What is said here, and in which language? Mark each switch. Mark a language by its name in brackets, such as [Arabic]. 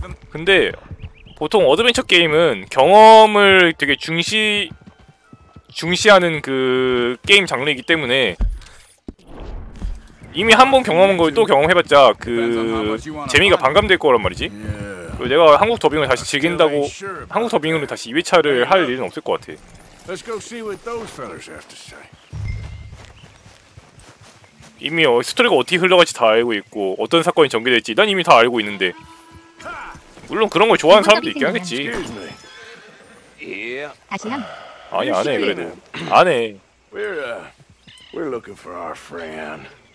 [Korean] 근데 보통 어드벤처 게임은 경험을 되게 중시하는 그 게임 장르이기 때문에 이미 한 번 경험한 걸 또 경험해봤자 그 재미가 반감될 거란 말이지. 그리고 내가 한국 더빙을 다시 즐긴다고 한국 더빙으로 다시 2회차를 할 일은 없을 것 같아. [English] Let's go see what those fellas have to say. [Korean] 이미 스토리가 어떻게 흘러갈지 다 알고 있고 어떤 사건이 전개될지 난 이미 다 알고 있는데 물론 그런 걸 좋아하는 사람도 있긴 하겠지. 다시요? 아니 안 해 그래도 안 해. [English] We're looking for our friend.